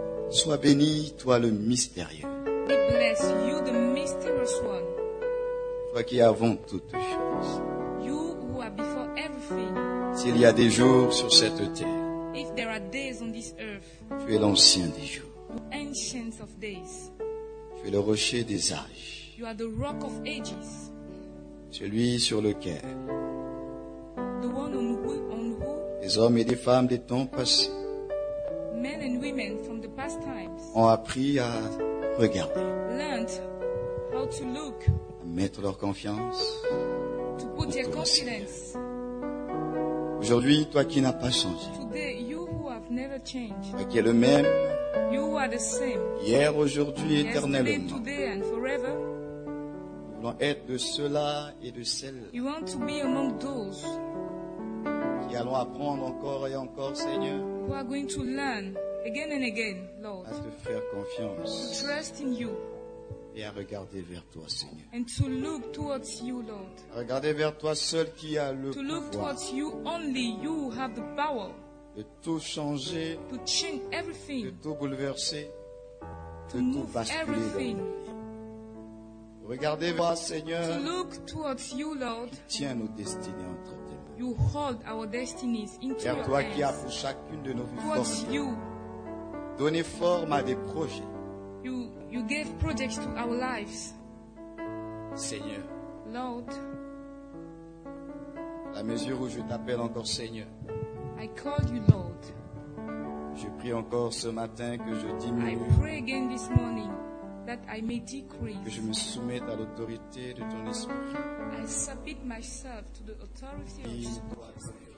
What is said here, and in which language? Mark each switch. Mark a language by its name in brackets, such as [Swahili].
[French] Sois béni, toi le mystérieux. [English] Be blessed, you the mysterious one. [French] Toi qui avant toutes choses. [English] You who are before everything. [French] S'il y a des jours sur cette terre. [English] If there are days on this earth. [French] Tu es l'ancien des jours. [English] You are ancient of days. [French] Tu es le rocher des âges. [English] You are the rock of ages. [French] Celui sur lequel. [English] The one on who. [French] Les hommes et les femmes des temps passés. [English] Men and women from the past times [French] ont appris à regarder, [English] learned how to look, [French] à mettre leur confiance, [English] to put their confidence. [French] Aujourd'hui, toi qui n'as pas changé, [English] today, you who have never changed, [French] toi qui es le même, [English] you who are the same, [French] hier, aujourd'hui, éternellement, [English] today and forever, [French] nous voulons être de ceux-là et de celles-là. [English] You want to be among those. [French] Qui allons apprendre encore et encore, Seigneur. [English] We are going to learn again and again, Lord. [French] À te faire confiance. [English] To trust in you. [French] Et à regarder vers toi, Seigneur. [English] And to look towards you, Lord. [French] À regarder vers toi seul qui a le pouvoir. [English] To look towards you only, you have the power. [French] De tout changer. [English] To change everything. [French] De tout bouleverser. [English] To move everything. [French] Regardez vers toi, Seigneur. [English] To look towards you, Lord. [French] Tiens nos destinées entre. [English] You hold our destinies into your hands. [French] Toi qui as pour chacune de nos vies [English] towards you. [French] Donné forme à des projets. [English] You gave projects to our lives. [French] Seigneur. [English] Lord. [French] À la mesure où je t'appelle encore Seigneur. [English] I call you Lord. [French] Je prie encore ce matin que je diminue. [English] I pray again this morning that I may decrease. [French] Que je me soumette à l'autorité de ton esprit. [English] I submit myself to the authority of Jesus Christ.